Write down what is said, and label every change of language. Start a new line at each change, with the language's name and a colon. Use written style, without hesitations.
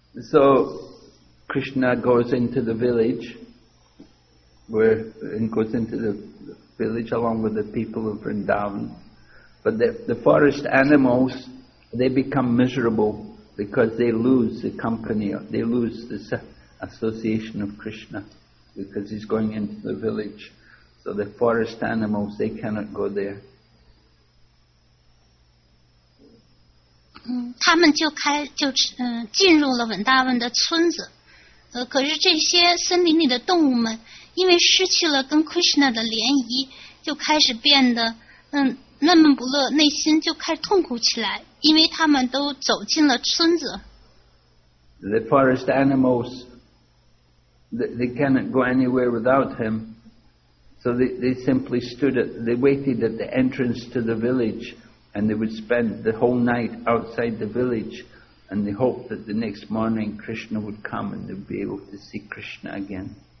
English: So Krishna goes into the village where and goes into the village along with the people of Vrindavan but the forest animals they become miserable because they lose the company they lose the association of Krishna because he's going into the village. So the forest animals, they cannot go there.
Chinese: 他们就进入了文大文的村子，可是这些森林里的动物们，因为失去了跟Krishna的联谊，就开始变得闷闷不乐，内心就开始痛苦起来，因为他们都走进了村子。
English: The forest animals, they cannot go anywhere without him, so they simply stood at, they waited at the entrance to the village. And they would spend the whole night outside the village and they hoped that the next morning Krishna would come and they would be able to see Krishna again.